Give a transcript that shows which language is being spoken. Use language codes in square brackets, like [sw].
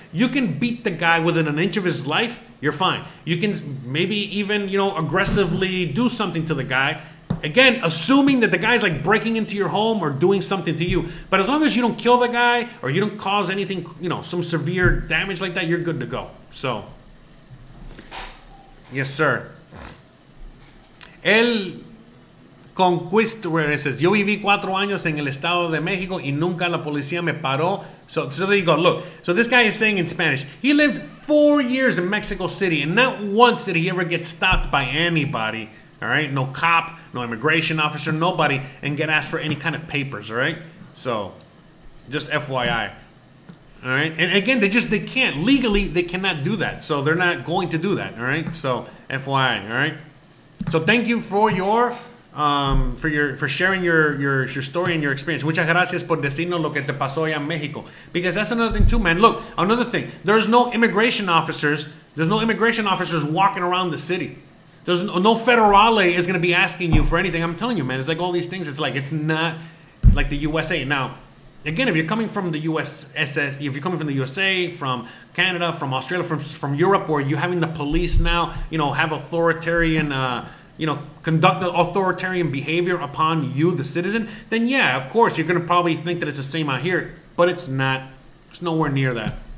[en] You can beat the guy within an inch of his life, you're fine. You can maybe even, you know, aggressively do something to the guy. Again, assuming that the guy's like breaking into your home or doing something to you. But as long as you don't kill the guy or you don't cause anything, you know, some severe damage like that, you're good to go. So, yes, sir. [es] El Conquistador says, yo viví 4 años en el Estado de México y nunca la policía me paró. [en] So there you go. Look, so this guy is saying in Spanish, he lived 4 years in Mexico City and not once did he ever get stopped by anybody. All right. No cop, no immigration officer, nobody, and get asked for any kind of papers. All right. So just FYI. All right. And again, they can't legally, they cannot do that. So they're not going to do that. All right. So FYI. All right. So thank you for sharing your story and your experience. [es] Muchas gracias por decirnos lo que te pasó allá en México. [en] Because that's another thing too, man. Look, another thing. There's no immigration officers walking around the city. There's no federale is going to be asking you for anything. I'm telling you, man. It's like all these things. It's like it's not like the USA. Now, again, if you're coming from the USA, from Canada, from Australia, from Europe, where you're having the police now, you know, have authoritarian, conduct authoritarian behavior upon you, the citizen, then yeah, of course, you're going to probably think that it's the same out here, but it's not. It's nowhere near that.